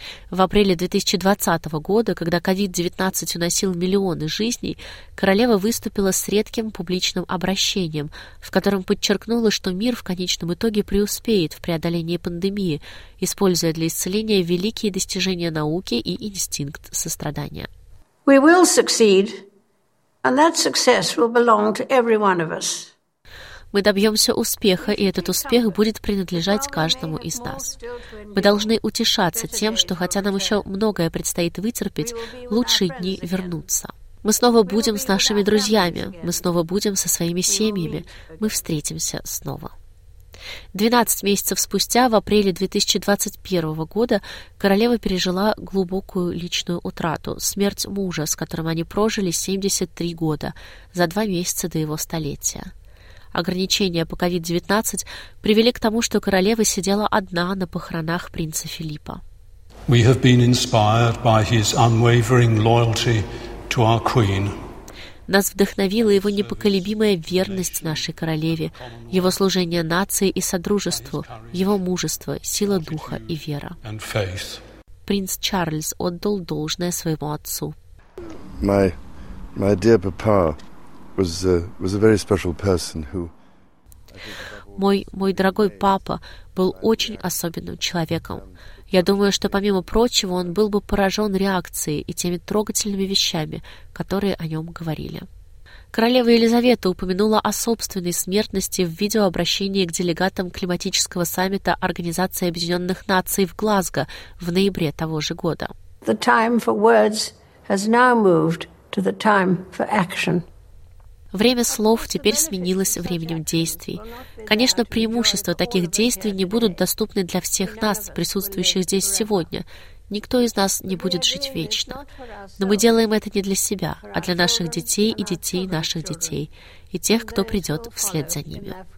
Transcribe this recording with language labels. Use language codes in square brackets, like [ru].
[ru] В апреле 2020 года, когда COVID-19 уносил миллионы жизней, королева выступила с редким публичным обращением, в котором подчеркнула, что мир в конечном итоге преуспеет в преодолении пандемии, используя для исцеления великие достижения науки и инстинкт сострадания. [en] We will succeed, and that success will belong to every one of us. [ru] Мы добьемся успеха, и этот успех будет принадлежать каждому из нас. Мы должны утешаться тем, что хотя нам еще многое предстоит вытерпеть, лучшие дни вернутся. Мы снова будем с нашими друзьями, мы снова будем со своими семьями, мы встретимся снова. 12 месяцев спустя, в апреле 2021 года, королева пережила глубокую личную утрату – смерть мужа, с которым они прожили 73 года, за 2 месяца до его столетия. Ограничения по COVID-19 привели к тому, что королева сидела одна на похоронах принца Филиппа. [en] We have been inspired by his unwavering loyalty to our queen. [ru] Нас вдохновила его непоколебимая верность нашей королеве, его служение нации и содружеству, его мужество, сила духа и вера. Принц Чарльз отдал должное своему отцу. [en] My dear papa was a very special person who. [ru] Мой дорогой папа был очень особенным человеком. Я думаю, что, помимо прочего, он был бы поражен реакцией и теми трогательными вещами, которые о нем говорили. Королева Елизавета упомянула о собственной смертности в видеообращении к делегатам климатического саммита Организации Объединенных Наций в Глазго в ноябре того же года. [en] The time for words has now moved to the time for action. [ru] Время слов теперь сменилось временем действий. Конечно, преимущества таких действий не будут доступны для всех нас, присутствующих здесь сегодня. Никто из нас не будет жить вечно. Но мы делаем это не для себя, а для наших детей и детей наших детей, и тех, кто придет вслед за ними.